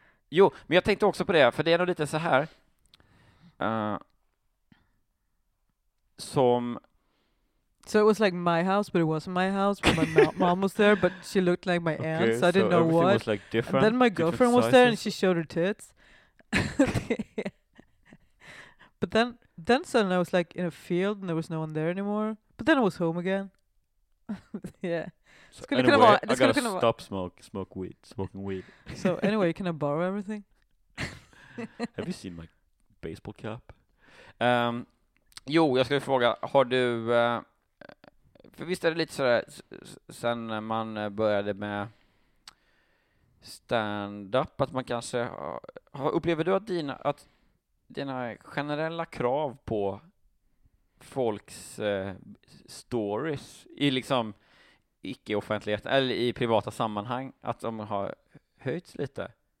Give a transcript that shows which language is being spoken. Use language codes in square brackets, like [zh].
[sv] Jo, men jag tänkte också på det, för det är nog lite så här. Som [en] so it was like my house, but it wasn't my house. But my mom was there, but she looked like my aunt. Okay, so I didn't know what. Was like different, and then my girlfriend sizes was there, and she showed her tits. But then suddenly I was like in a field, and there was no one there anymore. But then I was home again. Yeah. So anyway, I gotta stop smoking weed. So anyway, can I borrow everything? Have you seen my baseball cap? [sv] Jo, jag skulle fråga, har du för visst är det lite sådär sen man började med stand-up att man kanske upplever du att dina generella krav på folks stories i liksom icke-offentlighet eller i privata sammanhang att de har höjts lite?